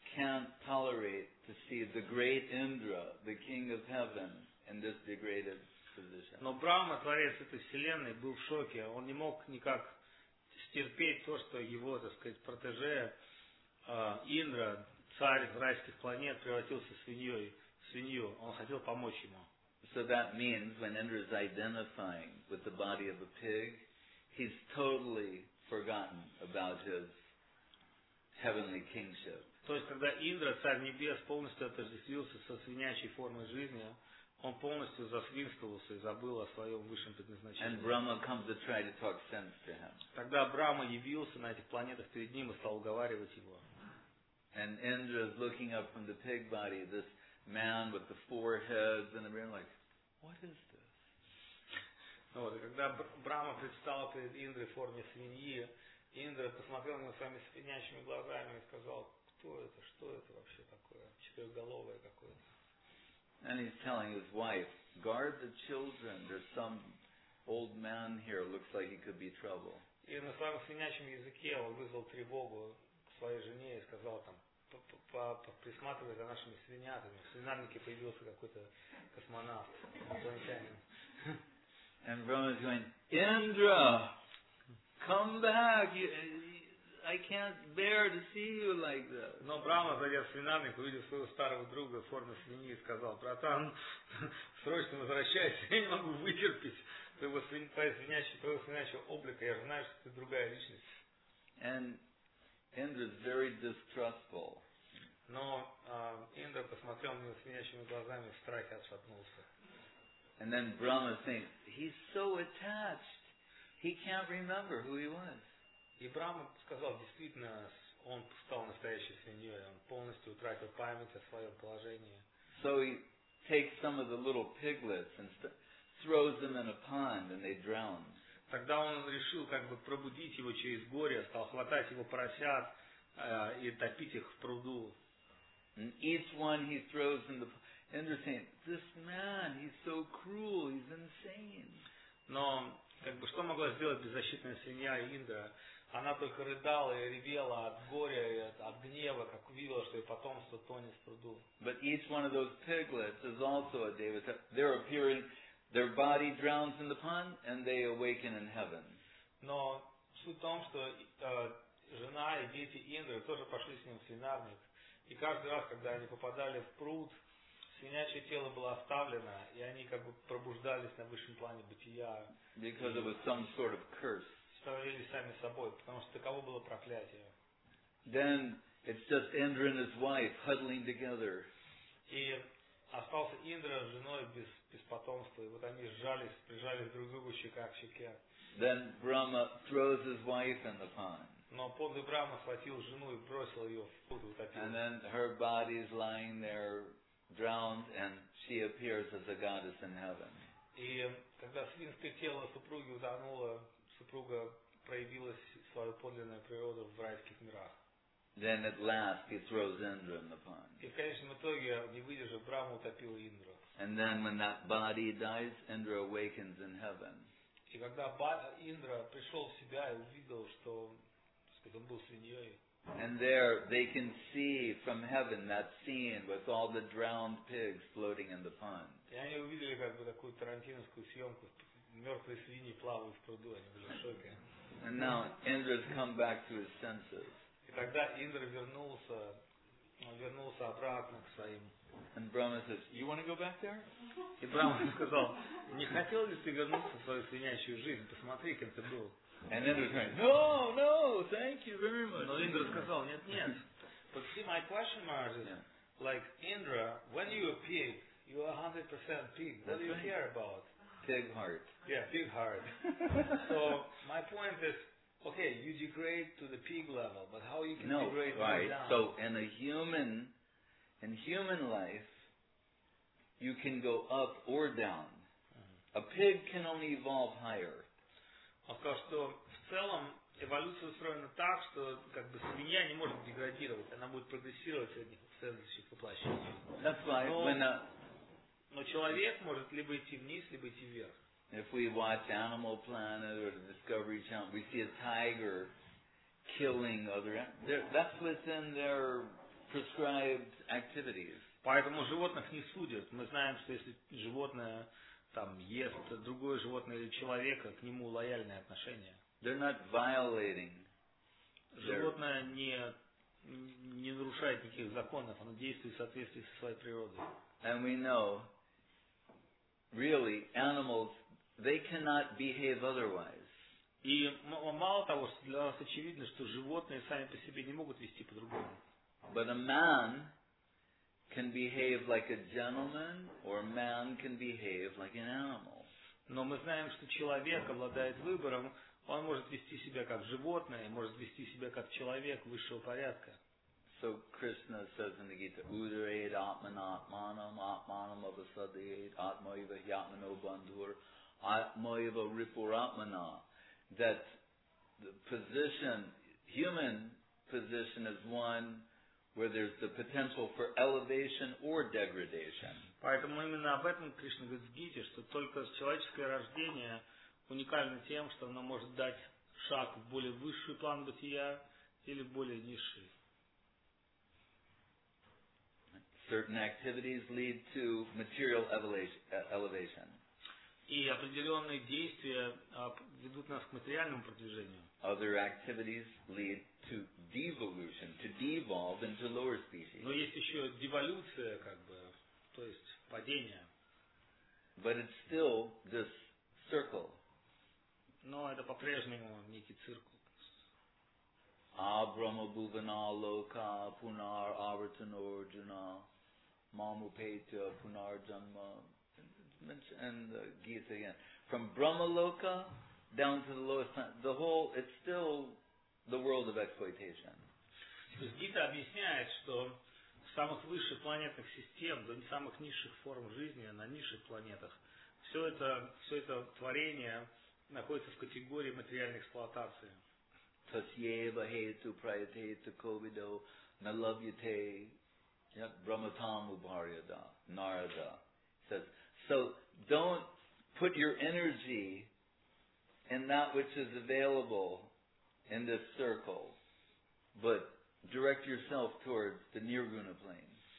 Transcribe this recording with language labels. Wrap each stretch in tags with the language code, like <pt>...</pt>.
<en>can't tolerate to see the great Indra, the king of heaven, in this degraded position.</en> <ru>Но Брахма, творец этой вселенной, был в шоке. Он не мог никак стерпеть то, что его, так сказать, протеже Индра, царь райских планет, превратился в свиньей, в свинью. Он хотел помочь ему.</ru> <en>So that means when Indra is identifying with the body of a pig, he's totally forgotten about his heavenly kingship.</en> <ru>То есть когда Индра, царь небес, полностью отождествился со свинячей формой жизни, он полностью засвинствовался и забыл о своем высшем предназначении.</ru> <en>And Brahma comes to try to talk sense to him.</en> <ru>Тогда Брахма явился на этих планетах перед ним и стал уговаривать его.</ru> <en>And Indra is looking up from the pig body, this man with the four heads, and everyone like, what is this?</en> <ru>Ну вот, и когда Брахма предстал перед Индрой в форме свиньи, Индра посмотрел на него своими свинячьими глазами и сказал, кто это, что это вообще такое, четырехголовое какое-то.</ru> <en>And he's telling his wife, guard the children, there's some old man here, looks like he could be trouble.</en> <ru>И на своем свинячьем языке он вызвал тревогу к своей жене и сказал там, присматривая за нашими свинятами. В свинарнике появился какой-то космонавт, инопланетянин.</ru> <en>And Brahma's going, Indra, come back. I can't bear to see you like this.</en> <ru>Но Брахма, зайдя в свинарник, увидел своего старого друга в форме свиньи и сказал, братан, срочно возвращайся, я не могу вытерпеть твоего свинячьего облика. Я же знаю, что ты другая личность.</ru> <en>And Indra is very distrustful.</en> <ru>Но Индра посмотрел на него свинячьими глазами и в страхе отшатнулся.</ru> <en>And then Brahma thinks, he's so attached, he can't remember who he was.</en> <ru>И Брахма сказал, действительно, он стал настоящей свиньей, он полностью утратил память о своем положении.</ru> <en>So he takes some of the little piglets and throws them in a pond and they drown.</en> <ru>Тогда он решил как бы пробудить его через горе, стал хватать его поросят и топить их в пруду.</ru> <en>And each one he throws in the pond. And they're saying, this man, he's so cruel, he's insane.</en> <ru>Но, как бы, что могла сделать беззащитная свинья Индра? Она только рыдала и ревела от горя и от гнева, как увидела, что ее потомство тонет в пруду.</ru> <en>But each one of those piglets is also a devata. They're appearing, their body drowns in the pond, and they awaken in heaven.</en> <ru>Но суть в том, что жена и дети Индры тоже пошли с ним в свинарник. И каждый раз, когда они попадали в пруд, свинячье тело было оставлено, и они как бы пробуждались на высшем плане бытия.</ru> <en>Because it was some sort of curse.</en> <ru>Становились сами собой, потому что таково было проклятие.</ru> <en>Then it's just Indra and his wife huddling together.</en> <ru>И остался Индра с женой без потомства, и вот они сжались, прижались друг к другу щека к щеке.</ru> <en>Then Brahma throws his wife in the pond.</en> <ru>Но подлый Брахма схватил жену и бросил ее в пруд.</ru> <en>And then her body is lying there drowned, and she appears as a goddess in heaven.</en> <ru>И когда свинское тело супруги утонуло, супруга проявилась свою подлинную природу в райских мирах.</ru> <en>Then at last he throws Indra in the pond.</en> <ru>И в конечном итоге, не выдержав, Брахма утопил Индру.</ru> <en>And then when that body dies, Indra awakens in heaven.</en> <ru>И когда Индра пришел в себя и увидел, что</ru> <en>And there they can see from heaven that scene with all the drowned pigs floating in the pond.</en> <ru>И они увидели как бы такую тарантиновскую съемку, мертвые свиньи плавают в пруду, они были в шоке.</ru> <en>And now Indra's come back to his senses.</en> <ru>И тогда Индра вернулся обратно к своим.</ru> <en>And Brahma says, "You want to go back there?"</en> <ru>И Брахма сказал, не хотел ли ты вернуться в свою свинячью жизнь? Посмотри, кем ты был.</ru> <en>And Indra's going, no, no, thank you very much.</en> <ru>Но Индра сказал, нет, нет.</ru> <en>But see, my question, Maharaj, is, yeah. Like, Indra, when you're a pig, you're 100% pig. What That's do you right. care about? Pig heart. Yeah, pig heart. So, my point is, okay, you degrade to the pig level, but how you can no, degrade right. down? So, in human life, you can go up or down. Mm-hmm. A pig can only evolve higher.</en> <ru>Он сказал, что в целом эволюция устроена так, что как бы свинья не может деградировать, она будет прогрессировать в следующих воплощениях. Но человек может либо идти вниз, либо идти вверх.</ru> <en>If we watch Animal Planet or the Discovery Channel, we see a tiger killing other animals. That's within their prescribed activities.</en> <ru>Поэтому животных не судят. Мы знаем, что если животное там ест другое животное или человека, к нему лояльное отношение.</ru> <en>They're not violating.</en> <ru>Животное не нарушает никаких законов, оно действует в соответствии со своей природой.</ru> <en>And we know, really, animals, they cannot behave otherwise.</en> <ru>И мало того, что для нас очевидно, что животные сами по себе не могут вести по-другому.</ru> <en>But a man can behave like a gentleman, or a man can behave like an animal.</en> <ru>Но мы знаем, что человек обладает выбором. Он может вести себя как животное, может вести себя как человек высшего порядка.</ru> <en>So Krishna says in the Gita,</en> <sa>Udhareid Atmana Atmanam, Atmanam Abhasadayed, Atmaiva Hyatmano Bandhur, Atmaiva Ripuratmana.</sa> <en>That the position, human position, is one where there's the potential for elevation or degradation.</en> <ru>Поэтому именно об этом Кришна говорит в Гите, что только человеческое рождение уникально тем, что оно может дать шаг в более высший план бытия или в более низший.</ru> <en>Certain activities lead to material elevation.</en> <ru>И определенные действия ведут нас к материальному продвижению.</ru> <en>Other activities lead to devolution, to devolve into lower species.</en> <ru>Но есть еще деволюция, как бы, то есть падение.</ru> <en>But it's still this circle.</en> <ru>Но это по-прежнему некий циркл.</ru> <sa>Абрама Бувана Лока Пунар Аватино Арджуна Мамупетя Пунар Джанма.</sa> <en>And the Gita again. From Брама Лока down to the lowest planet. The whole, it's still the world of exploitation.</en> <ru>Гита объясняет, что в самых высших планетных систем, до самых низших форм жизни на низших планетах, все это творение находится в категории материальной эксплуатации.</ru> <sa>Тасьева хейту прайтейту ковидо налабьете браматаму барьяда нарада.</sa> <en>Says, so don't put your energy in that which is available in this circle, but direct yourself towards the nirguna plane.</en>